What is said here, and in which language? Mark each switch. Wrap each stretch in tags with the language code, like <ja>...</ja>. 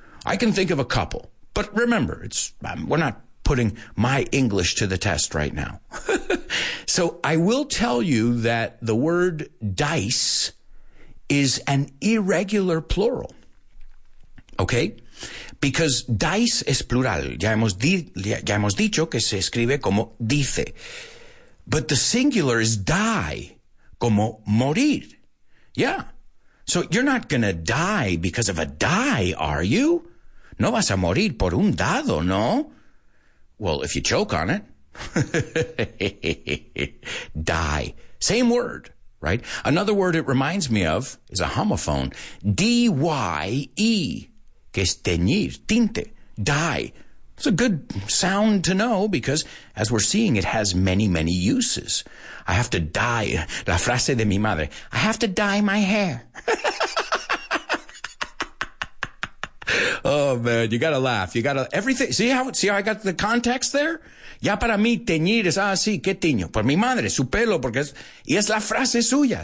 <en>I can think of a couple, but remember, we're not putting my English to the test right now. So I will tell you that the word dice is an irregular plural. Okay? Because dice</en> <es>es plural. Ya hemos dicho que se escribe como dice.</es> <en>But the singular is die,</en> <es>como morir.</es> <en>Yeah. So you're not going to die because of a die, are you?</en> <es>No vas a morir por un dado, ¿no?</es> <en>Well, if you choke on it. Die. Same word, right? Another word it reminds me of is a homophone.</en> <es>D-Y-E. Que es teñir, tinte, dye.</es> <en>It's a good sound to know because, as we're seeing, it has many, many uses. I have to dye,</en> <es>la frase de mi madre,</es> <en>I have to dye my hair. Oh, man, you got to laugh. You got to, everything, see how I got the context there?</en> <es>Ya para mí teñir es así, ¿qué tiño? Por mi madre, su pelo, porque es, y es la frase suya.</es>